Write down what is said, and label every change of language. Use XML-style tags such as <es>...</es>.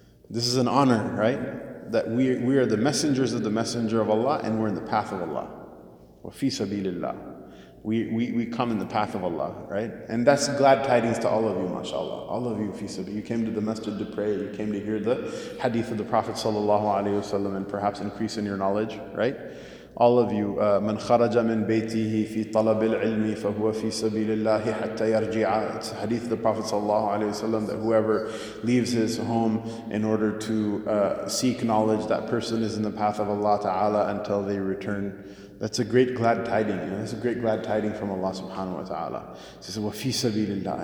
<en>This is an honor, right? That we are the messengers of the messenger of Allah, and we're in the path of Allah.</en> <ar>Wa fi sabilillah.</ar> <en>We come in the path of Allah, right? And that's glad tidings to all of you, mashallah. All of you, Fisab. You came to the masjid to pray. You came to hear the hadith of the Prophet sallallahu alaihi wasallam and perhaps increase in your knowledge, right? All of you,</en> <ar>من خرج من بيته في طلب العلم فهو في سبيل الله حتى يرجع.</ar> <en>It's a hadith of the Prophet sallallahu alaihi wasallam that whoever leaves his home in order to seek knowledge, that person is in the path of Allah ta'ala until they return. That's a great glad tiding. You know, that's a great glad tiding from Allah subhanahu wa ta'ala. He says,</en> <ar>وَفِي سَبِيلِ اللَّهِ.</ar>